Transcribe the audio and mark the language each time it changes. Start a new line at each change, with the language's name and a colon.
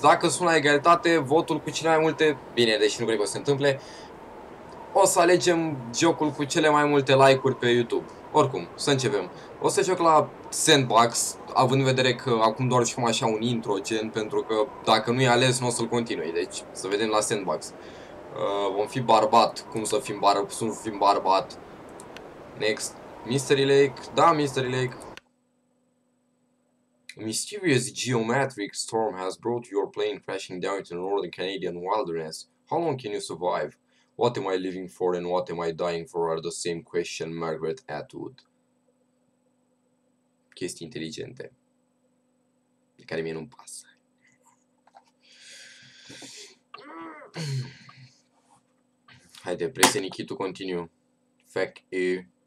Romanian: Dacă sunt la egalitate, votul cu cele mai multe, bine, deși nu cred că o să se întâmple, o să alegem jocul cu cele mai multe like-uri pe YouTube. Oricum, să începem. O să joc la Sandbox, având în vedere că acum doar jucăm așa un intro, gen, pentru că dacă nu e ales, nu o să-l continui. Deci, să vedem la Sandbox. Vom fi barbat, cum să fim barbat, cum să fim barbat. Next, Mystery Lake, da, Mystery Lake.
English: Mysterious geometric storm has brought your plane crashing down into the northern Canadian wilderness. How long can you survive? What am I living for and what am I dying for are the same question Margaret Atwood.
Romanian: Chestii inteligente de care mie nu-mi pasă. Haide, prese Nikki to continue. Fac E.